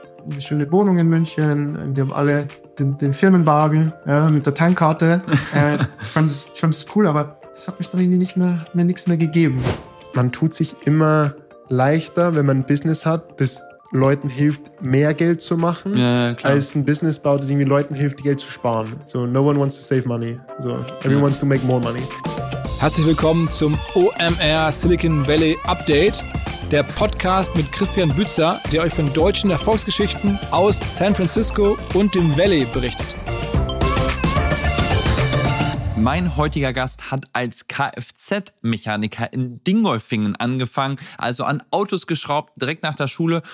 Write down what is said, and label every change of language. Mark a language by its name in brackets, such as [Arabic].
[German] eine schöne Wohnung in München. Wir haben alle den Firmenwagen, ja, mit der Tankkarte. ich fand es cool, aber das hat mich dann irgendwie nichts mehr gegeben. Man tut sich immer leichter, wenn man ein Business hat, das Leuten hilft, mehr Geld zu machen, ja, als ein Business baut, das irgendwie Leuten hilft, Geld zu sparen. [English] So, no one wants to save money. So, everyone wants to make more money. [German] Herzlich willkommen zum OMR Silicon Valley Update. Der Podcast mit Christian Bützer, der euch von deutschen Erfolgsgeschichten aus San Francisco und dem Valley berichtet. Mein heutiger Gast hat als Kfz-Mechaniker in Dingolfingen angefangen, also an Autos geschraubt, direkt nach der Schule.